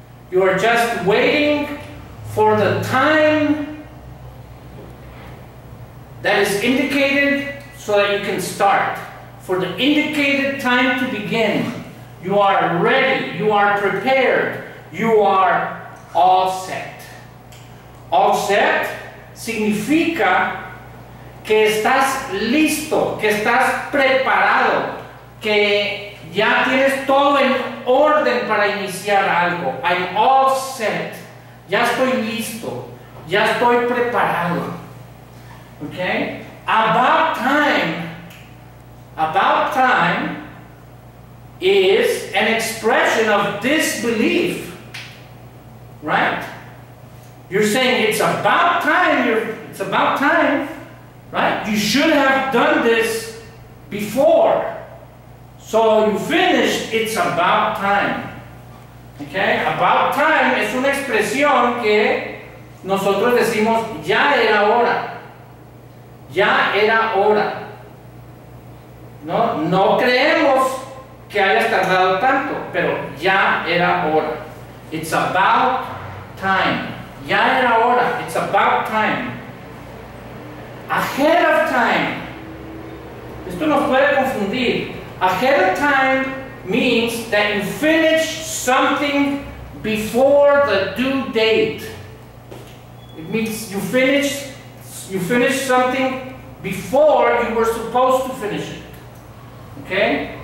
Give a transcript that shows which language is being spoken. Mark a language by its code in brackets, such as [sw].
[en] You are just waiting for the time that is indicated so that you can start. For the indicated time to begin, you are ready, you are prepared, you are all set. [es] All set significa que estás listo, que estás preparado, que ya tienes todo en orden para iniciar algo. [en] I'm all set. [es] Ya estoy listo. Ya estoy preparado. Okay? [en] About time. About time is an expression of disbelief. Right? You're saying it's about time. It's about time. Right? You should have done this before. So you finish, it's about time. Okay? [es] About time es una expresión que nosotros decimos ya era hora. Ya era hora. ¿No? No creemos que hayas tardado tanto, pero ya era hora. [en] It's about time. [es] Ya era hora. [en] It's about time. Ahead of time. [es] Esto nos puede confundir. [en] Ahead of time means that you finish something before the due date. It means you finish something before you were supposed to finish it. Okay?